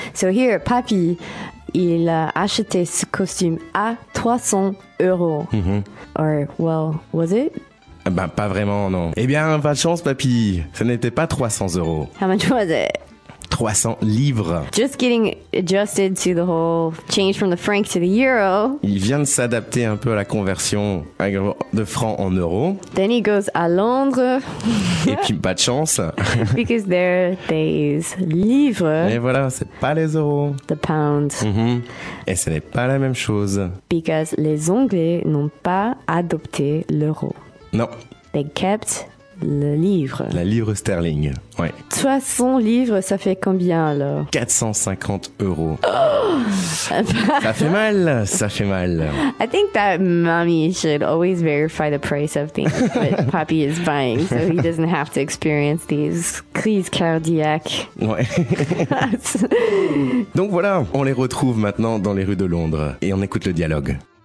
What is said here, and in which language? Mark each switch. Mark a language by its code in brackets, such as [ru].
[en] So here, [fr] papy, il a acheté ce costume à 300 euros. Mm-hmm. [en] Or, well, was it? [fr] Ben, pas vraiment, non. Eh bien, pas de chance, papy. Ce n'était pas 300 euros. [en] How much was it? [fr] 300 livres. [en] Just getting adjusted to the whole change from the franc to the euro. [fr] Il vient de s'adapter un peu à la conversion de francs en euros. [en] Then he goes [fr] à Londres. Et puis pas de chance. [en] Because there is livres. [fr] Mais voilà, c'est pas les euros. [en] The pound. [fr] Mm-hmm. Et ce n'est pas la même chose. Because les Anglais n'ont pas adopté l'euro. Non. [en] They kept [fr] le livre. La livre sterling, ouais. 300 livres, ça fait combien alors? 450 euros. Oh ça fait mal, ça fait mal. [en] I think that mommy should always verify the price of things that papi is buying so he doesn't have to experience these [fr] crises cardiaques. Ouais. Donc voilà, on les retrouve maintenant dans les rues de Londres et on écoute le dialogue.